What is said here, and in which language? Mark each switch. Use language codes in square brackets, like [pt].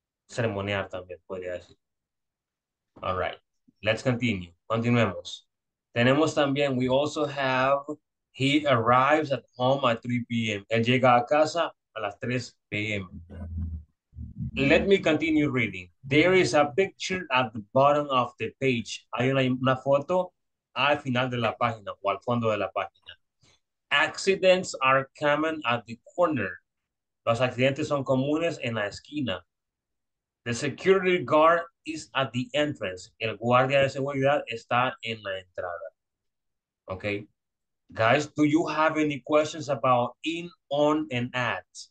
[es] Ceremoniar también podría decir. [en] All right, let's continue. [es] Continuemos. Tenemos también, [en] we also have, he arrives at home at 3 p.m. [es] Él llega a casa a las 3 p.m. [en] Let me continue reading. There is a picture at the bottom of the page. [es] Hay una foto al final de la página o al fondo de la página. [en] Accidents are common at the corner. [es] Los accidentes son comunes en la esquina. [en] The security guard is at the entrance. [es] El guardia de seguridad está en la entrada. [en] Okay. Guys, do you have any questions about in, on, and at?